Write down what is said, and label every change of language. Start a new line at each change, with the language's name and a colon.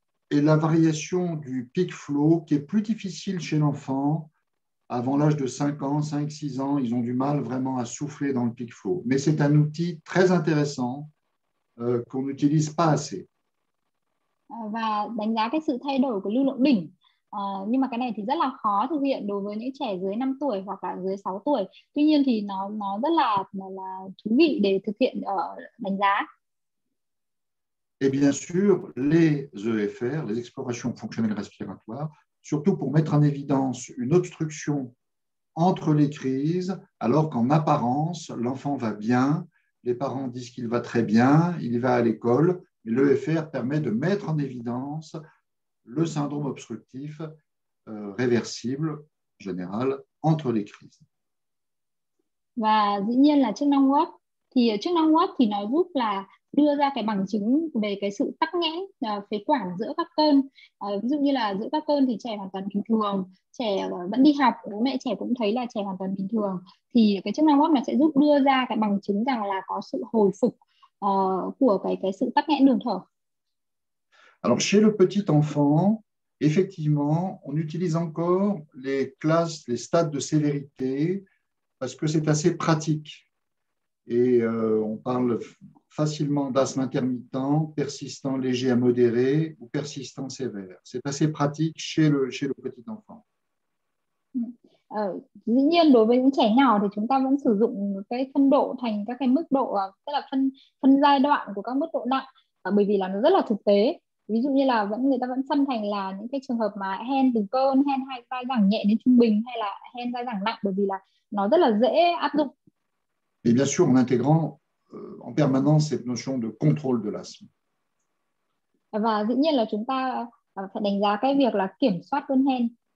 French: Et la variation du peak flow qui est plus difficile chez l'enfant. Avant l'âge de 5 ans, 5-6 ans, ils ont du mal vraiment à souffler dans le peak flow. Mais c'est un outil très intéressant qu'on n'utilise pas assez.
Vietnamese: Và đánh giá cái sự thay đổi của lưu lượng đỉnh. Nhưng mà cái này thì rất là khó thực hiện đối với những trẻ dưới 5 tuổi hoặc là dưới 6 tuổi. Tuy nhiên thì nó rất là thú vị để thực hiện ở đánh giá.
French: Et bien sûr, les EFR, les explorations fonctionnelles respiratoires, surtout pour mettre en évidence une obstruction entre les crises, alors qu'en apparence, l'enfant va bien, les parents disent qu'il va très bien, il va à l'école, mais l'EFR permet de mettre en évidence le syndrome obstructif réversible, en général, entre les crises.
Vietnamese: Và dĩ nhiên là chức năng hô hấp. Thì chức năng hô hấp thì nó giúp là đưa ra cái bằng chứng về cái sự tắc nghẽn phế quản giữa các cơn. Ví dụ như là giữa các cơn thì trẻ hoàn toàn bình thường, trẻ vẫn đi học, bố mẹ trẻ cũng thấy là trẻ hoàn toàn bình thường, thì cái chức năng hô hấp nó sẽ giúp đưa ra cái bằng chứng rằng là có sự hồi phục của cái sự tắc nghẽn đường thở.
French: Alors, chez le petit enfant, effectivement, on utilise encore les classes, les stades de sévérité, parce que c'est assez pratique. Et on parle facilement d'asthme intermittent, persistant léger à modéré ou persistant sévère. C'est assez pratique chez le petit enfant.
Vietnamese: Dĩ nhiên đối với những trẻ nhỏ thì chúng ta vẫn sử dụng cái phân độ thành các cái mức độ, tức là phân phân giai đoạn của các mức độ nặng, bởi vì là nó rất là thực tế. Ví dụ như là vẫn người ta vẫn phân thành là những cái trường hợp mà hen từ cơn, hen hay dai dẳng nhẹ đến trung bình, hay là hen dai dẳng nặng, bởi vì là nó rất là dễ áp dụng.
French: Et bien sûr, en intégrant en permanence cette notion de contrôle de l'asthme.
Vietnamese: Và dĩ nhiên là chúng ta phải đánh giá cái việc là kiểm soát cơn hen.